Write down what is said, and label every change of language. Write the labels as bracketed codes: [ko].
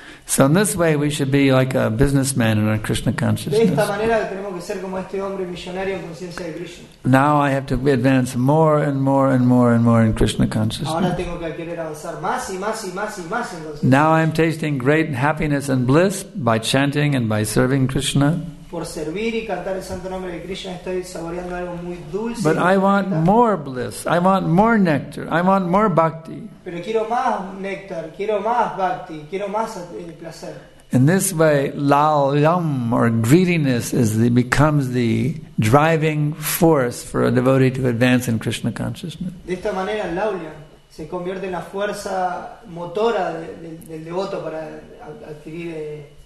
[en] So in this way we should be like a businessman in our Krishna consciousness. [es] De esta manera tenemos que ser como este hombre millonario en conciencia de Krishna. [en] Now I have to advance more and more and more and more in Krishna consciousness. [es] Ahora tengo que querer avanzar más y más y más y más en Krishna. [en] Now I am tasting great happiness and bliss by chanting and by serving Krishna. [es] Por servir y cantar el santo nombre de Krishna estoy saboreando algo muy dulce. [en] But I want more bliss. I want more nectar. I want more bhakti. [es] Pero quiero más néctar, quiero más bhakti, quiero más placer. [en] In this way, lalyam or greediness becomes the driving force for a devotee to advance in Krishna consciousness. [es] De esta manera, lalyam se convierte en la fuerza motora del devoto para adquirir